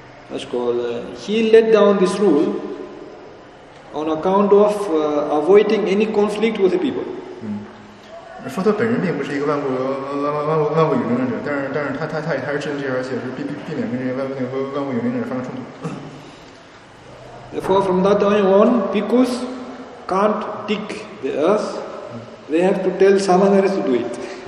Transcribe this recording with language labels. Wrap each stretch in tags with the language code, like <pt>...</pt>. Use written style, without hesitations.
<en>That's called he let down this rule on account of avoiding any conflict with the people.</en> <zh>佛陀本人并不是一个万物有灵论者，但是他也是知道，而且是避免跟这些万物有灵论者发生冲突。Therefore,</zh> <en>from that time on, bhikkhus can't dig the earth; they have to tell someone else to do it.</en>